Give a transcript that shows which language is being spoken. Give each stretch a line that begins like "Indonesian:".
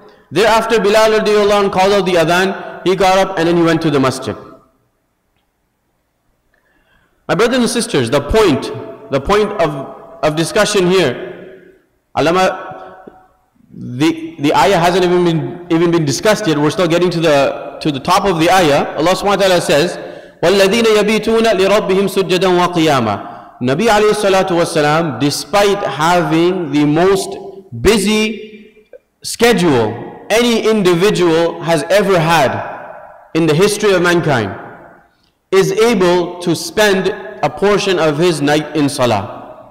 English: Thereafter, Bilal radiallahu anhu called out the adhan. He got up and then he went to the masjid. My brothers and sisters, the point of discussion here, Allama, the ayah hasn't even been discussed yet. We're still getting to the top of the ayah. Allah subhanahu wa ta'ala says,
Arabic: وَالَّذِينَ يَبِيتُونَ لِرَبِّهِمْ سُجَّدًا وَقِيَامًا.
English: Nabi alayhi salatu wasalam, despite having the most busy schedule any individual has ever had in the history of mankind, is able to spend a portion of his night in salah.